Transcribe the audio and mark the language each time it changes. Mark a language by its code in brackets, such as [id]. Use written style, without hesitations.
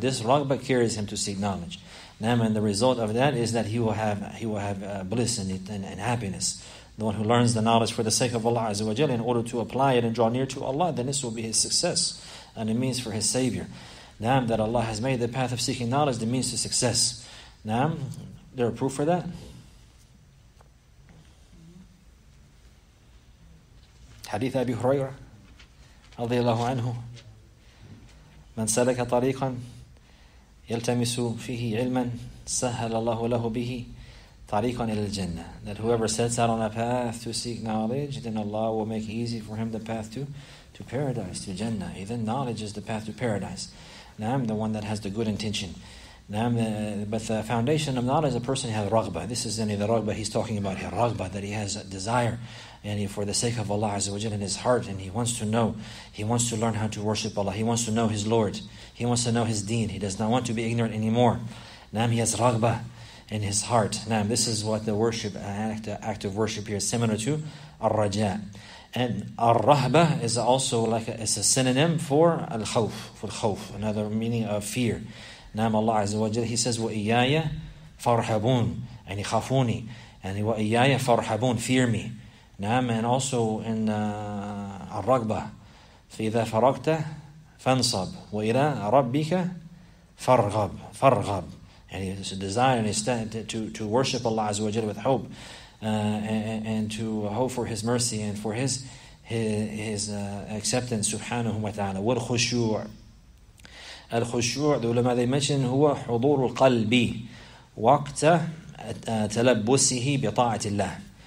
[en] This raghba carries him to seek knowledge. And the result of that is that he will have bliss and happiness. The one who learns the knowledge for the sake of Allah Azza wa Jalla in order to apply it and draw near to Allah, then this will be his success and a means for his savior. Naam, that Allah has made the path of seeking knowledge the means to success. Naam, there a proof for that? [ar] Hadith Abi Hurairah رضي الله عنه من سلك طريقا يلتمس فيه علما سهل الله له به طريقا إلى الجنة. [en] That whoever sets out on a path to seek knowledge, then Allah will make easy for him the path to paradise, to Jannah. Even knowledge is the path to paradise. Naam, the one that has the good intention. Naam, but the foundation of knowledge, a person has raghba. This is the raghba he's talking about here, raghba, that he has a desire. And for the sake of Allah Azza wa Jalla in his heart, and he wants to know, he wants to learn how to worship Allah, he wants to know his Lord, he wants to know his deen, he does not want to be ignorant anymore. Naam, he has raghba in his heart. Naam, this is what the worship, act of worship here is similar to al-raja. And al-rahba is also it's a synonym for al-khawf, another meaning of fear. [ar] Naam, Allah Azza wa Jalla, [en] he says, [ar] وَإِيَّايَ فَارْحَبُونَ أَنِي خَافُونِي and وَإِيَّايَ فَارْحَبُونَ, [en] fear me. [ar] Naam, [en] and also in al-raqba, [ar] فَإِذَا فَرَقْتَ فَانْصَبْ وَإِلَىٰ رَبِّكَ فَارْغَبْ فَارْغَبْ. [en] And it's a desire and a stand to worship Allah Azza wa Jalla with hope and to hope for His mercy and for His acceptance, subhanahu wa ta'ala. [ar] وَالْخُشُوعُ الْخُشُوعُ, [en] the ulama, they mention, [ar] هُوَ حُضُورُ الْقَلْبِ وَقْتَ تَلَبُّسِهِ بِطَاعَةِ اللَّهِ.